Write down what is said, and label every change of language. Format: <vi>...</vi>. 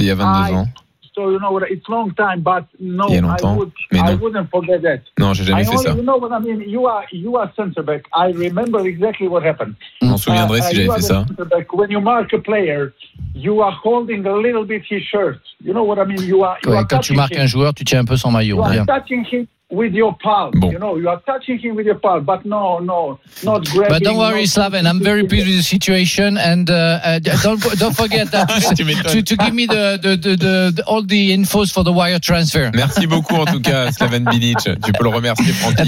<fr>il y a 22 ans.</fr> <en>So you know what? It's long time, but no,</en> <fr>il y a longtemps, mais non.</fr> <en>I wouldn't forget that.</en> <fr>Non, j'ai jamais fait ça.</fr> <en>You know what I mean? You are center back. I remember exactly what happened.</en> <fr>Je m'en souviendrai si j'avais fait ça.</fr> <en>When you mark a player, you are holding a little bit his shirt. You know what I mean?</en> <fr>Quand tu marques un joueur, tu tiens un peu son maillot.</fr> <en>You are touching him with your palm.</en> <fr>Bon.</fr> <en>You know, you are touching him with your palm, but no, not grabbing. But don't worry, Slaven. I'm very pleased with the situation, and don't forget that to give me the all the infos for the wire transfer.</en> <fr>Merci beaucoup en tout cas, Slaven Bilic. Tu peux le remercier, Francky.</fr>